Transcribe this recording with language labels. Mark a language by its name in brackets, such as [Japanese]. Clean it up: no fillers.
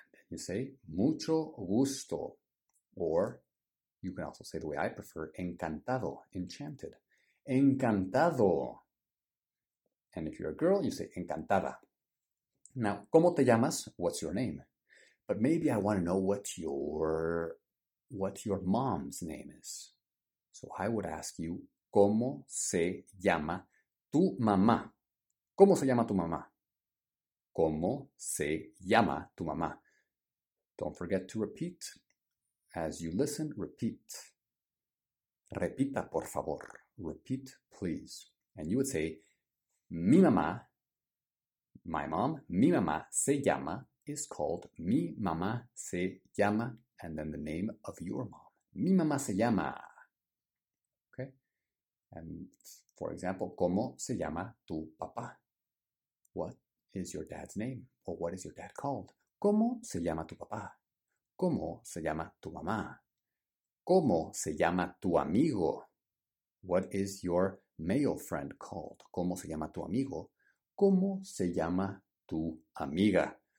[English] You say, mucho gusto, or you can also say the way I prefer, encantado, enchanted. Encantado. And if you're a girl, you say, encantada. Now, [Spanish] ¿cómo te llamas? [English] What's your name? But maybe I want to know what your mom's name is. So I would ask you, [Spanish] ¿cómo se llama tu mamá? ¿Cómo se llama tu mamá? ¿Cómo se llama tu mamá? [English] Don't forget to repeat. As you listen, repeat. [Spanish] Repita, por favor. [English] Repeat, please. And you would say, [Spanish] mi mamá, [English] my mom, [Spanish] mi mamá se llama, [English] is called [Spanish] mi mamá se llama, [English] and then the name of your mom. [Spanish] Mi mamá se llama. Okay? And for example, ¿cómo se llama tu papá? [English] What is your dad's name? Or what is your dad called? [Spanish] ¿Cómo se llama tu papá? ¿Cómo se llama tu mamá? ¿Cómo se llama tu amigo? [English] What is your male friend called? [Spanish] ¿Cómo se llama tu amigo? ¿Cómo se llama tu amiga?